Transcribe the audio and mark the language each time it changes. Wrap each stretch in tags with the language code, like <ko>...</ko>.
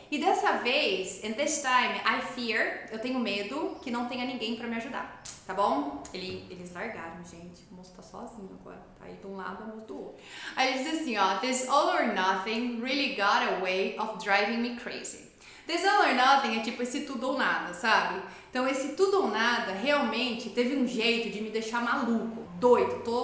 <pt>E dessa vez,</pt> <en>and this time, I fear,</en> <pt>eu tenho medo que não tenha ninguém pra me ajudar, tá bom? Eles largaram, gente. O moço tá sozinho agora. Tá aí de um lado, o moço do outro. Aí ele diz assim, ó.</pt> <en>This all or nothing really got a way of driving me crazy. This all or nothing</en> <pt>é tipo esse tudo ou nada, sabe? Então esse tudo ou nada realmente teve um jeito de me deixar maluco, doido.</pt>